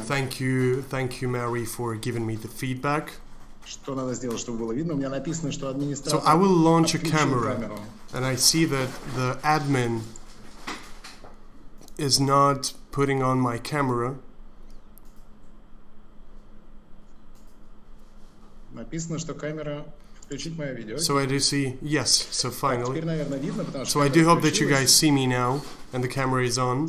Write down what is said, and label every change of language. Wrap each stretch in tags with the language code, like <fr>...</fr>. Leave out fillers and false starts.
<en>thank you, Mary, for giving me the feedback. So I will launch a camera, and I see that the admin is not putting on my camera.</en> <ru>Написано, что камера включить мое видео.</ru> <en>So I do see, yes, so finally.</en> <ru>Так, теперь, наверное, видно, потому что</ru> <en>so I do hope that you guys see me now, and the camera is on.</en>